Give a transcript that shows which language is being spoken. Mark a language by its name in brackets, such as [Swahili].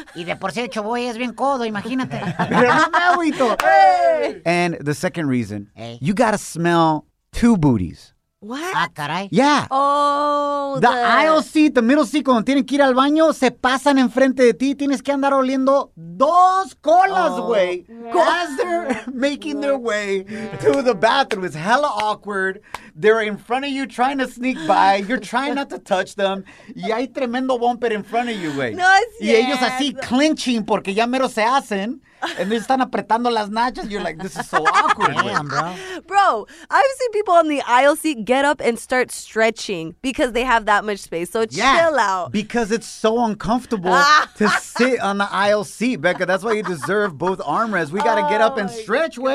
[Spanish] Y de por sí, el chavo es bien codo, imagínate. [English] Hey. And the second reason, you got to smell two booties. What? [Spanish] Ah, caray. [English] Yeah. Oh. The aisle seat, the middle seat, [Spanish] cuando tienen que ir al baño, se pasan enfrente de ti. Tienes que andar oliendo dos colas, güey. [English] Oh, yeah. As they're making their way to the bathroom. It's hella awkward. They're in front of you trying to sneak by. You're trying not to touch them. [Spanish] Y hay tremendo [English] bumper in front of you, güey. [Spanish] No, es cierto. Y ellos así clinching porque ya mero se hacen. [English] And they're [Spanish] están apretando las nachas. [English] You're like, this is so awkward. Damn, bro. Bro, I've seen people on the aisle seat get up and start stretching because they have that much space. So chill out. Because it's so uncomfortable to sit on the aisle seat, Becca. That's why you deserve both armrests. We got to get up and stretch, way.